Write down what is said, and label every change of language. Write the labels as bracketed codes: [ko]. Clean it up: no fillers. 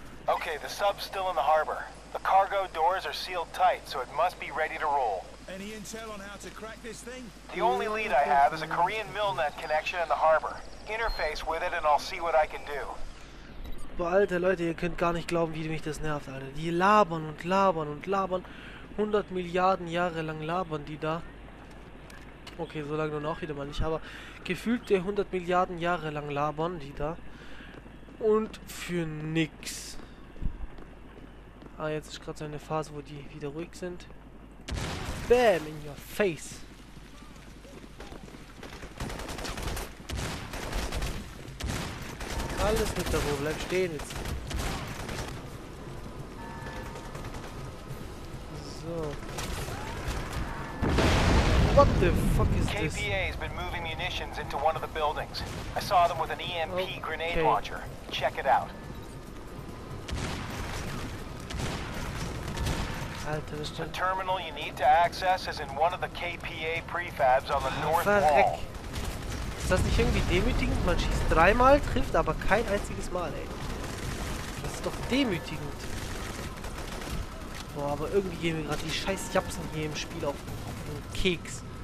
[en] Okay, the sub's still in the harbor. The cargo doors are sealed tight, so it must be ready to roll. Any intel on how to crack this thing? The only lead I have is a Korean Milnet connection in the harbor. Interface with it and I'll see what I can do. [de] Boah, Alter, Leute, ihr könnt gar nicht glauben, wie mich das nervt, Alter. Die labern und labern und labern. 100 Milliarden Jahre lang labern die da. Okay, so lange nun auch wieder mal nicht, aber gefühlte 100 Milliarden Jahre lang labern die da. Und für nix. Ah, jetzt ist gerade so eine Phase, wo die wieder ruhig sind. [en] Bam, in your face. [de] Alles mit der Ruhe, bleib stehen jetzt. So. [en] What the fuck is this? KPA has been moving munitions into one of the buildings. I saw them with an EMP grenade launcher. Check it out. [de] Alter, was [en] the terminal you need to access is in one of the KPA prefabs on the north wall. [de] Ist das nicht irgendwie demütigend? Man schießt dreimal, trifft aber kein einziges Mal, ey. Das ist doch demütigend. Boah, aber irgendwie gehen mir gerade die scheiß Japsen hier im Spiel auf den Keks.